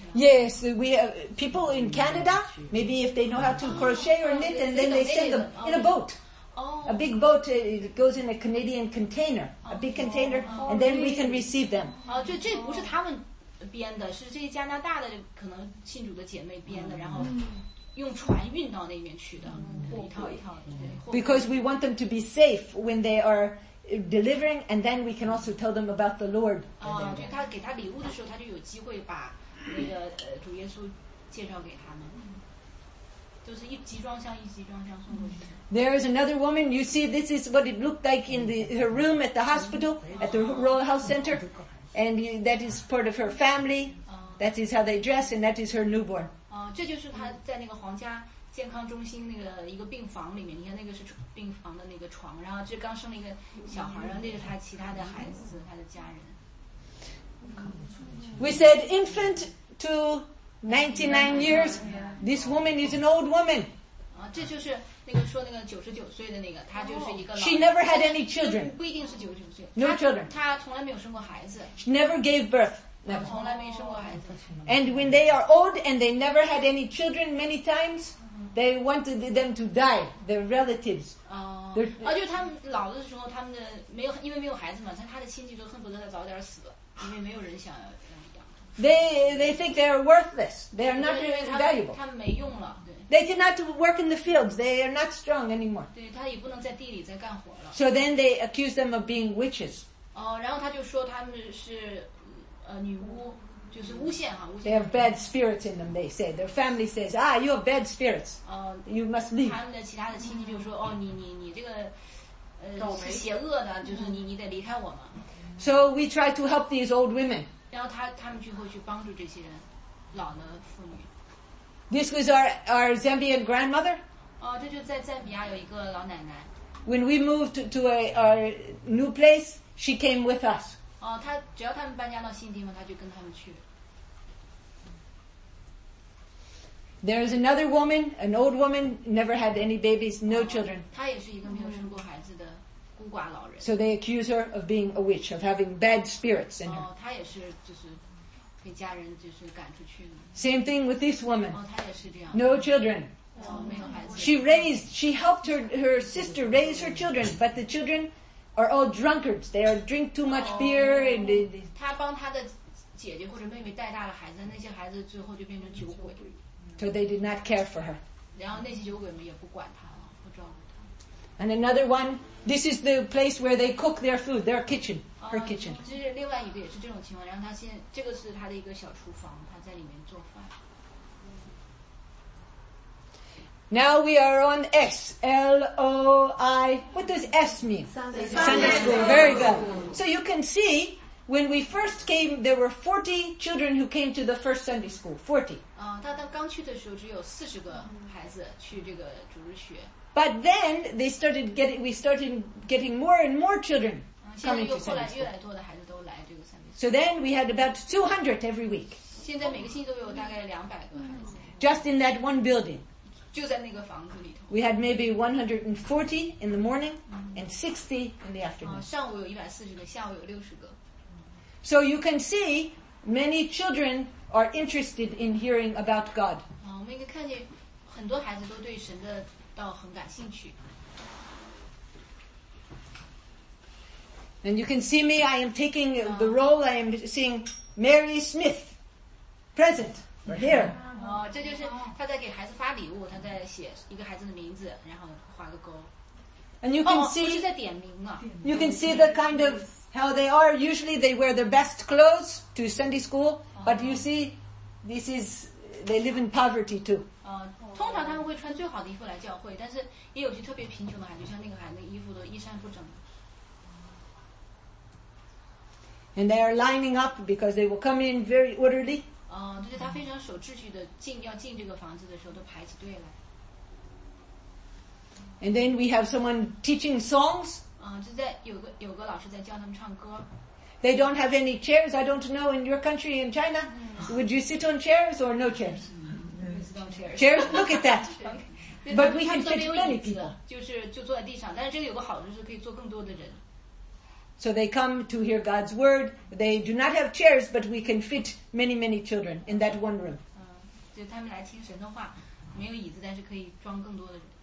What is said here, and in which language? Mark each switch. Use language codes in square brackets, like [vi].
[en] Yes, we have people in Canada, maybe if they know how to crochet or knit, and then they send them in a boat. A big boat, it goes in a Canadian container. A big container, and then we can receive them. Oh, this [zh] 编的是这加拿大的可能信主的姐妹编的，然后用船运到那边去的，一套一套。 [en] Because we want them to be safe when they are delivering, and then we can also tell them about the Lord. [zh] 啊，就他给他礼物的时候，他就有机会把那个主耶稣介绍给他们，就是一集装箱一集装箱送过去。 [en] There is another woman. You see, this is what it looked like in her room at the hospital, at the Royal Health Center. And that is part of her family. That is how they dress, and that is her newborn. [zh] 这就是她在那个皇家健康中心那个一个病房里面。你看那个是病房的那个床，然后这刚生了一个小孩，然后那是她其他的孩子，她的家人。 [en] We said infant to 99 years. This woman is an old woman. [zh] 这就是那个说那个九十九岁的那个，她就是一个老。 [en] She never had any children. [zh] 不一定是九十九岁。 [en] No children. [zh] 她从来没有生过孩子。 [en] She never gave birth. [zh] 她从来没生过孩子。 [en] And when they are old and they never had any children, many times they wanted them to die. Their relatives. [zh] 就他们老的时候，他们的没有，因为没有孩子嘛，像他的亲戚都恨不得他早点死，因为没有人想要养。 [en] They think they are worthless. They are not valuable. [zh] 他们没用了。 [en] They cannot work in the fields. They are not strong anymore. [zh] 对，他也不能在地里再干活了。 [en] So then they accuse them of being witches. [zh] 然后他就说他们是女巫，就是诬陷哈，诬陷。 [en] They have bad spirits in them. They say their family says, "Ah, you have bad spirits. You must leave." [zh] 他们的其他的亲戚就说，你这个是邪恶的，就是你得离开我嘛。 [en] So we try to help these old women. [zh] 然后他们就会去帮助这些人老的妇女。 [en] This was our Zambian grandmother. [zh] 这就在赞比亚有一个老奶奶。 [en] When we moved to our new place, she came with us. [zh] 她只要他们搬家到新地方，她就跟他们去。 [en] There is another woman, an old woman, never had any babies, no children. [zh] 她也是一个没有生过孩子的孤寡老人。 [en] So they accuse her of being a witch, of having bad spirits in her. [zh] 她也是就是。被家人就是赶出去了。 [en] Same thing with this woman. [zh] 她也是这样。 [en] No children. [zh] 没有孩子。 [en] She helped her sister raise her children, but the children are all drunkards. They are drink too much beer and. [zh] 她帮她的姐姐或者妹妹带大了孩子，那些孩子最后就变成酒鬼。 [en] So they did not care for her. [zh] 然后那些酒鬼们也不管她了，不照顾她。 [en] And another one. This is the place where they cook their food. Their kitchen. Her kitchen. [zh] 这是另外一个也是这种情况，然后他现在这个是他的一个小厨房，他在里面做饭。 [en] Now we are on S L O I. What does S mean? Sunday school. Very good. So you can see when we first came, there were 40 children who came to the first Sunday school. 40. [zh] 他刚去的时候只有40个孩子去这个主日学。 [en] But then they started getting. We started getting more and more children. Coming to Sunday school. So then we had about 200 every week. [zh] 现在每个星期都有大概200个孩子。 [en] Just in that one building. [zh] 就在那个房子里头。 [en] We had maybe 140 in the morning and 60 in the afternoon. [zh] 上午有140个，下午有60个。 [en] So you can see many children are interested in hearing about God. [zh] 我们应该看见很多孩子都对神的道很感兴趣。 [en] And you can see me, I am taking the role, I am seeing Mary Smith, present, or here. [zh] 这就是她在给孩子发礼物，她在写一个孩子的名字，然后画个勾。 [en] And you can see, [zh] 不是在点名啊。 [en] You can see the kind of, how they are, usually they wear their best clothes to Sunday school, but you see, this is they live in poverty too. [zh] 通常他们会穿最好的衣服来教会，但是也有些特别贫穷的孩子，像那个孩子衣服都衣衫不整。 [en] And they are lining up because they will come in very orderly. [zh] 就是他非常守秩序的进要进这个房子的时候都排起队来。 [en] And then we have someone teaching songs. [zh] 就在有个老师在教他们唱歌。 [en] They don't have any chairs. I don't know in your country, in China, would you sit on chairs or no chairs? Chairs. Look at that. But we can fit many people. [zh] 就坐在地上，但是这个有个好处是可以坐更多的人。 [en] So they come to hear God's word. They do not have chairs, but we can fit many, many children in that one room. [zh] 就他们来听神的话，没有椅子，但是可以装更多的人。